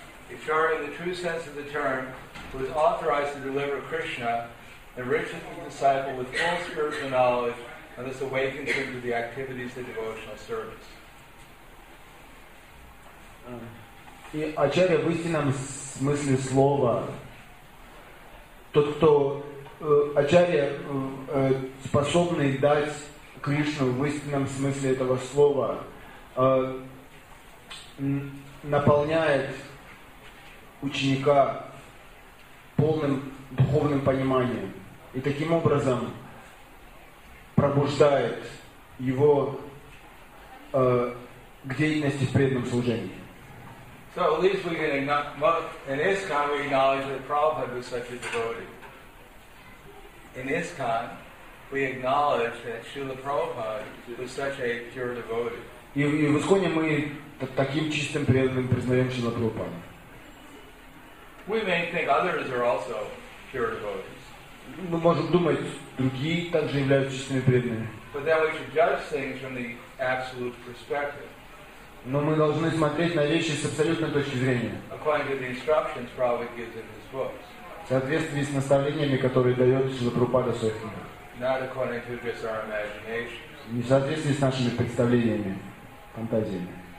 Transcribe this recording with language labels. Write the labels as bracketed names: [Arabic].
[English] Acharya, in the true sense of the term, was authorized to deliver Krishna, enriching the disciple with full spiritual knowledge, and thus awakens him to the activities of devotional service. [Russian] И ачарья в истинном смысле слова, тот, кто ачарья способный дать Кришну в истинном смысле этого слова, наполняет ученика полным духовным пониманием и таким образом пробуждает его к деятельности в преданном служении. [English] So at least we can in ISKCON we acknowledge that Prabhupada was such a devotee. In ISKCON we acknowledge that Srila Prabhupada was such a pure devotee. [Russian] И в ИСККОНе мы таким чистым преданным признаем Шрила Прабхупаду. [English] We may think others are also pure devotees. [Russian] Мы можем думать, другие также являются чистыми преданными. [English] But then we should judge things from the absolute perspective. [Russian] Но мы должны смотреть на вещи с абсолютной точки зрения. [English] According to the instructions Prabhupada gives in his books. [Russian] В соответствии с наставлениями, которые дает Шрила Прабхупада в своих книгах. [English] Not according to just our imaginations. [Russian] Не в соответствии с нашими представлениями, фантазиями.